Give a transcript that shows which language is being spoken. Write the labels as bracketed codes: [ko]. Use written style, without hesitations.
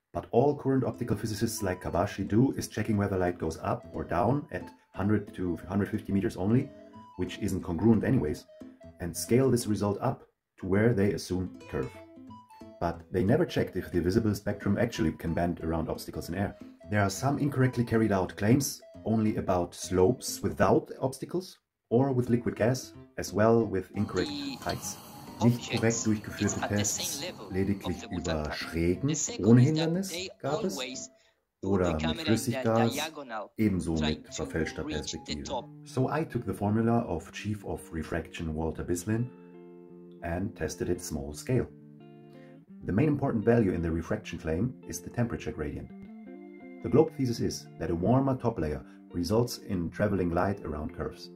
[en] But all current optical physicists like Kabashi do is checking whether light goes up or down at 100 to 150 meters only, which isn't congruent anyways, and scale this result up to where they assume curve. But they never checked if the visible spectrum actually can bend around obstacles in air. There are some incorrectly carried out claims only about slopes without obstacles or with liquid gas, as well with incorrect heights. [de] Nicht korrekt durchgeführte Tests lediglich über Schrägen ohne Hindernis gab es oder mit Flüssiggas, ebenso mit verfälschter Perspektive. [en] So I took the formula of Chief of Refraction Walter Bislin and tested it small scale. The main important value in the refraction claim is the temperature gradient. The globe thesis is that a warmer top layer results in traveling light around curves.